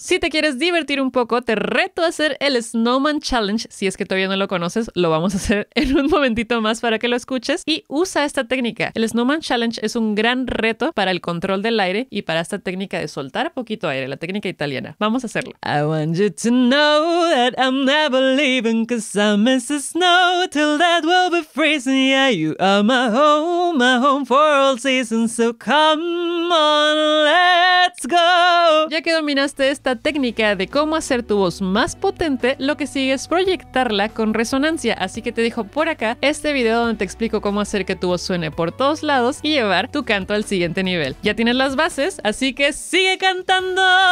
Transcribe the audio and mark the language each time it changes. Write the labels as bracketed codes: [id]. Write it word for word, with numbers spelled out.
[es] Si te quieres divertir un poco, te reto a hacer el Snowman Challenge. Si es que todavía no lo conoces, lo vamos a hacer en un momentito más para que lo escuches y usa esta técnica. El Snowman Challenge es un gran reto para el control del aire y para esta técnica de soltar poquito aire, la técnica italiana. Vamos a hacerlo. [en] I want you to know that I'm never leaving cause I miss the snow till that will be freezing. Yeah, you are my home, my home for all seasons. So come on, let's go. [es] Ya que dominaste esta técnica de cómo hacer tu voz más potente, lo que sigue es proyectarla con resonancia. Así que te dejo por acá este video donde te explico cómo hacer que tu voz suene por todos lados y llevar tu canto al siguiente nivel. Ya tienes las bases, así que sigue cantando.